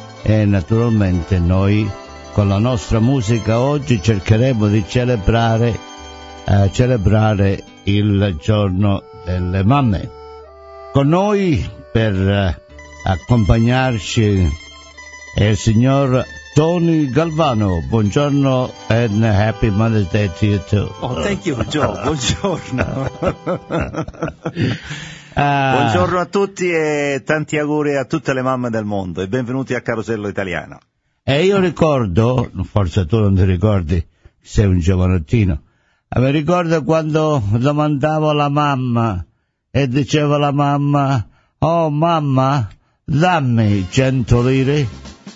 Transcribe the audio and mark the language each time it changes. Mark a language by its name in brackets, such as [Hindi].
[Italian] E naturalmente noi con la nostra musica oggi cercheremo di celebrare il giorno delle mamme. Con noi per accompagnarci e il signor Tony Galvano. [English] Buongiorno and happy Mother's Day to you too. Oh, thank you, Joe. Buongiorno. [Italian] Buongiorno a tutti e tanti auguri a tutte le mamme del mondo e benvenuti a Carosello Italiano. E io ricordo, forse tu non ti ricordi, sei un giovanottino, mi ricordo quando domandavo alla mamma e diceva alla mamma: oh mamma, dammi 100 lire.